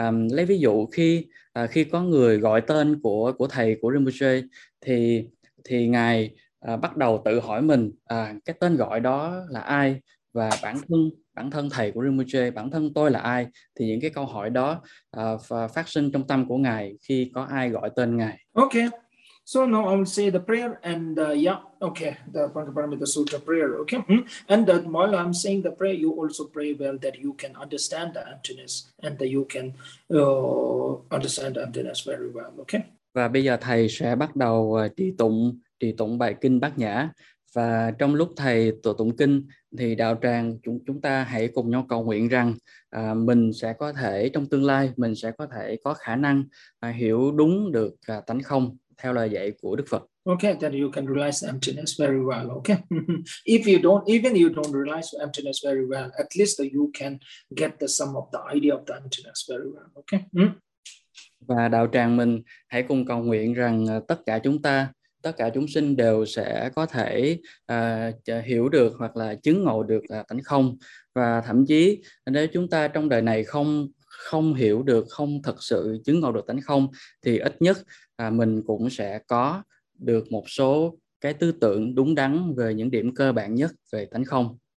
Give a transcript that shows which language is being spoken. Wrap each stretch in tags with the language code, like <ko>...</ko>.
<vi>Lấy ví dụ khi có người gọi tên của thầy của Rinpoche, thì ngài bắt đầu tự hỏi mình cái tên gọi đó là ai, và bản thân thầy của Rinpoche, bản thân tôi là ai, thì những cái câu hỏi đó phát sinh trong tâm của ngài khi có ai gọi tên ngài.</vi> <en>Okay, So now I will say the prayer and the Pancaparamita Sutra prayer, okay? And while I'm saying the prayer, you also pray well that you can understand the emptiness and that you can understand the emptiness very well, okay?</en> <vi>Và bây giờ thầy sẽ bắt đầu trì tụng bài kinh Bát Nhã. Và trong lúc thầy tụng kinh thì đạo tràng chúng ta hãy cùng nhau cầu nguyện rằng mình sẽ có thể trong tương lai mình sẽ có thể có khả năng hiểu đúng được tánh không theo lời dạy của Đức Phật.</vi> <en>Okay, then you can realize emptiness very well, okay? if you don't realize emptiness very well, at least you can get the sum of the idea of the emptiness very well, okay?</en> <vi>Và đạo tràng mình hãy cùng cầu nguyện rằng tất cả chúng sinh đều sẽ có thể hiểu được hoặc là chứng ngộ được tánh không. Và thậm chí nếu chúng ta trong đời này không hiểu được, không thực sự chứng ngộ được tánh không, thì ít nhất mình cũng sẽ có được một số cái tư tưởng đúng đắn về những điểm cơ bản nhất về tánh không.</vi>